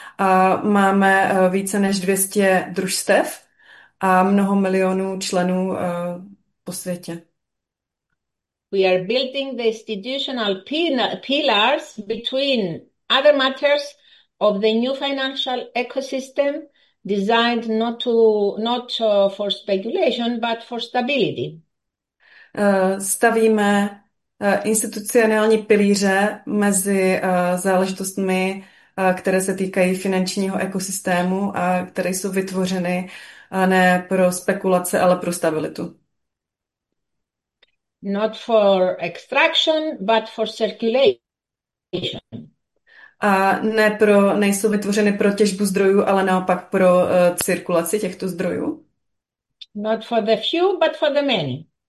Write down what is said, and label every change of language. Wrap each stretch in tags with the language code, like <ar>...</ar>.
<cs>A máme více než 200 družstev a mnoho milionů členů po světě.</cs> <en>We are building the institutional pillars between other matters of the new financial ecosystem designed not for speculation, but for stability.</en> <cs>Stavíme institucionální pilíře mezi záležitostmi, které se týkají finančního ekosystému a které jsou vytvořeny ne pro spekulace, ale pro stabilitu.</cs> <en>Not for extraction, but for circulation.</en> <cs>A ne pro, nejsou vytvořeny pro těžbu zdrojů, ale naopak pro cirkulaci těchto zdrojů.</cs> <en>Not for the few, but for the many.</en>